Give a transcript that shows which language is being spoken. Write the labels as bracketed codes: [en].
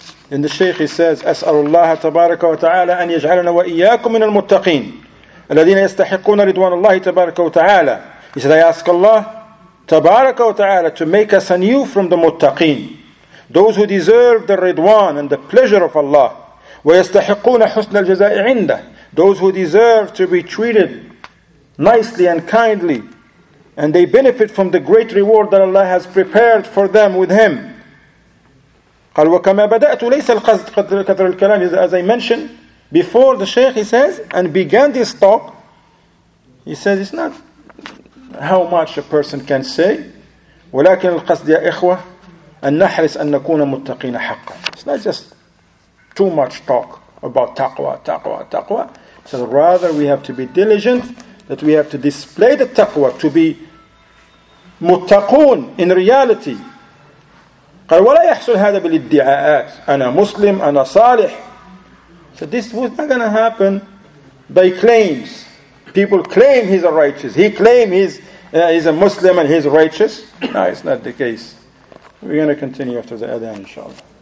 [en] And the Shaykh, he says, [ar] أسأل الله تبارك وتعالى أن يجعلنا وإياكم من المتقين الذين يستحقون رضوان الله تبارك وتعالى. [en] He said, I ask Allah تبارك وتعالى to make us anew from the متقين, those who deserve the ridwan and the pleasure of Allah. [ar] ويستحقون حسن الجزاء عنده, [en] those who deserve to be treated nicely and kindly, and they benefit from the great reward that Allah has prepared for them with Him. [ar] قال وكما بدأت ليس القصد كثر الكلام. [en] As I mentioned before, the Shaykh, he says, and began this talk, he says, it's not how much a person can say, [ar] ولكن القصد يا إخوة أن نحرص أن نكون متقين حقا. [en] It's not just too much talk about taqwa, taqwa, taqwa. So rather we have to be diligent, that we have to display the taqwa, to be muttaqoon in reality. [ar] قال ولا يحصل هذا بالادعاءات. أنا مسلم, أنا صالح. [en] So this was not going to happen by claims. People claim he's a righteous. He claim he's a Muslim and he's righteous. No, it's not the case. We're going to continue after the adhan, inshallah.